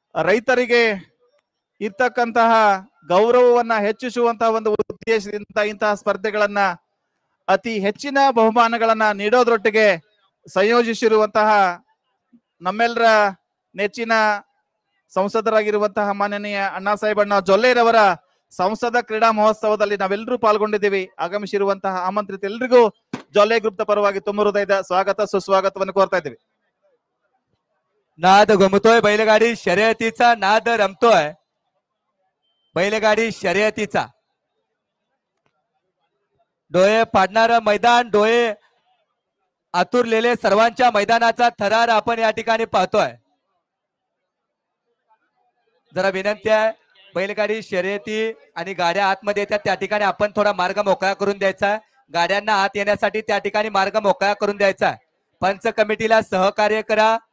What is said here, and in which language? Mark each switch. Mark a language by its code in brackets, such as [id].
[kn] रैतरिगे इरतक्कंतह ಗೌರವವನ್ನ ಹೆಚ್ಚಿಸುವಂತ ಒಂದು ಉದ್ದೇಶದಿಂದ ಇಂತಹ ಸ್ಪರ್ಧೆಗಳನ್ನ ಅತಿ ಹೆಚ್ಚಿನ ಬಹುಮಾನಗಳನ್ನ ನೀಡೋದ್ರೊಟ್ಟಿಗೆ ಸಂಯೋಜಿಸಿರುವಂತ ನಮ್ಮೆಲ್ಲರ ನೆಚ್ಚಿನ ಸಂಸದರಾಗಿರುವಂತ ಮಾನ್ಯನೀಯ ಅಣ್ಣಾ ಸಾಹೇಬಣ್ಣ ಜೊಲ್ಲೆರವರ ಸಂಸದ ಕ್ರೀಡಾ ಮಹೋತ್ಸವದಲ್ಲಿ ನಾವೆಲ್ಲರೂ ಪಾಲ್ಗೊಂಡಿದ್ದೀವಿ ಆಗಮಿಸಿರುವಂತ ಆಮಂತ್ರಿತ ಎಲ್ಲರಿಗೂ ಜೊಲ್ಲೆ ಗ್ರೂಪ್ ಪರವಾಗಿ ತುಂಬ ಹೃದಯದ ಸ್ವಾಗತ ಸುಸ್ವಾಗತವನ್ನು ಕೋರ್ತಾ ಇದ್ದೀವಿ। [mr] ನಾದ ಗೊಮ್ಮತೋಯ್ ಬೈಲಗಾಡಿ ಶರ್ಯತಿಚ ನಾದ ರಮ್ತೋಯ್ बैलगाड़ी शर्यतीचा डोळे पाडणारे मैदान डोळे आतुरलेले सर्वांच्या मैदानाचा थरार आपण या ठिकाणी पाहतोय। जरा विनंती आहे बैलगाडी शर्यती आणि गाड्या आतमध्ये येतात त्या ठिकाणी आपण थोडा मार्ग मोकळा करून द्यायचा आहे, गाड्यांना आत येण्यासाठी त्या ठिकाणी मार्ग मोकळा करून द्यायचा आहे। पंच कमिटीला सहकार्य करा।